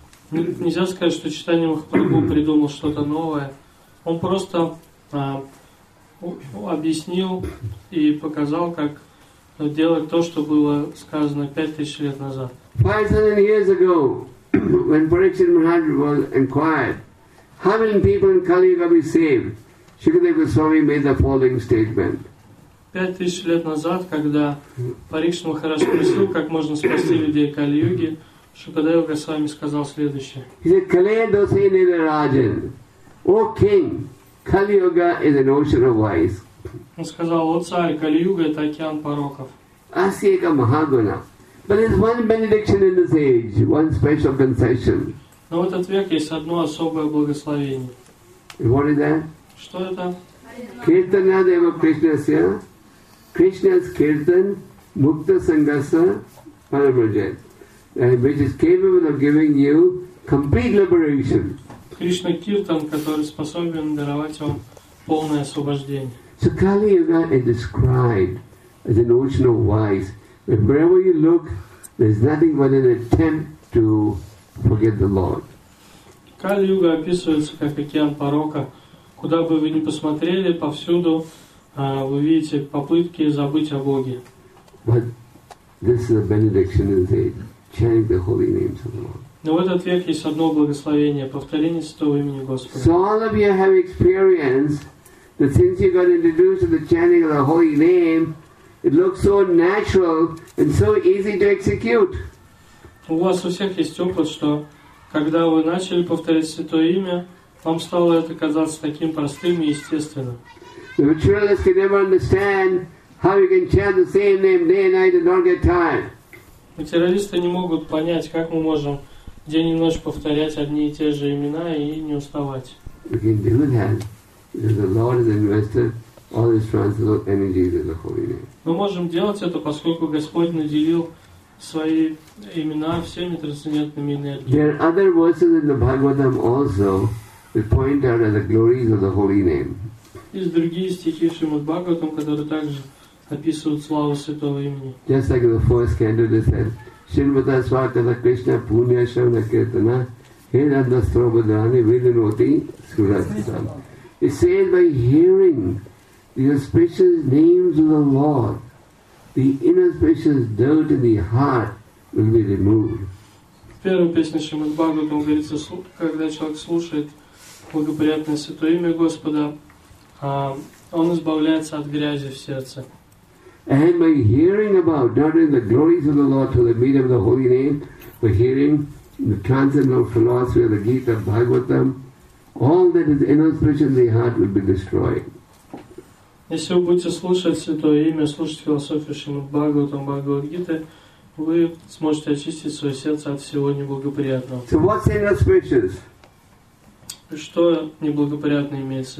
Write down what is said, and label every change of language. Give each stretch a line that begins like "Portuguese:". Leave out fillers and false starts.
Russian: Нельзя сказать, что Чайтанья Махапрабху придумал что-то новое. Он просто объяснил и показал, как делать то, что было сказано 5,000 лет назад.
English: 5,000 years ago, when Parikshit Maharaj was inquired, how many people in Kali Yuga be saved? Shukadeva Goswami made the following statement.
Russian: 5000 лет назад, когда Парикшит Махарадж спросил, как можно спасти людей Кали-юги, Шукадева Госвами сказал следующее.
English: He said,
Sanskrit: Kalaya Dose Nirajan,
English: O King, Kali-yuga is an ocean of vice.
Russian: Он сказал, о царь, Кали-юга — это океан пороков.
Sanskrit: Asyeka Mahaguna.
English: But there's one benediction in this age, one special concession.
Russian: Но в этот век есть одно особое благословение.
English: What is that?
Russian: Что это?
Sanskrit: Kirtana Deva Krishnasya,
English: Krishna's Kirtan,
Sanskrit: Mukta Sangasa, Parabrajat,
English: which is capable of giving you complete liberation.
Russian: Krishna Kirtan, который способен даровать вам полное освобождение.
English: So Kali Yuga is described as an ocean of vice. Wherever you look, there's nothing but an attempt to forget the Lord.
Russian: Kali Yuga описывается как океан порока. Куда бы вы ни посмотрели, повсюду вы видите попытки забыть о Боге.
English: But this is a benediction in the age. Chanting the holy names of the Lord.
Russian: Но в этот век есть одно благословение — повторение святого имени Господа.
English: So all of you have experienced that since you got introduced to the chanting of the holy name, it looks so natural and so easy to execute.
Russian: У вас у всех есть опыт, что когда вы начали повторять святое имя, вам стало это казаться таким простым и естественным.
English: The materialist can never understand how you can chant the same name day and night and not get tired.
Russian: Материалисты не могут понять, как мы можем день и ночь повторять одни и те же имена и не уставать.
English: We can do that because the Lord has invested all His transcendental energies in the holy name.
Russian: Мы можем делать это, поскольку Господь наделил свои имена всеми трансцендентными энергиями.
English: There are other verses in the Bhagavatam also that point out as the glories of the holy name.
Russian: Есть другие стихи в Шримад-Бхагаватам, которые также описывают славу святого имени.
English: Just like the first canto they said,
Sanskrit: Shrimata Swatana Krishna Punya Shavana Kirtana Hiranda Srobadrani Vidinoti Surajitam.
English: It says by hearing the auspicious names of the Lord, the inauspicious dirt in the heart will be removed.
Russian: В первой песне Шримад-Бхагаватам говорится, когда человек слушает благоприятное святое имя Господа, он избавляется от грязи в сердце.
English: And by hearing about not only the glories of the Lord through the medium of the holy name, but hearing the transcendental philosophy of the Gita, Bhagavatam, all that is inauspicious in the heart will be destroyed.
Russian: Если вы будете слушать святое имя, слушать философию Шримад-Бхагаватам, Бхагавад-Гиты, вы сможете очистить свое сердце от всего неблагоприятного.
English: So what's inauspicious?
Russian: Что неблагоприятно имеется?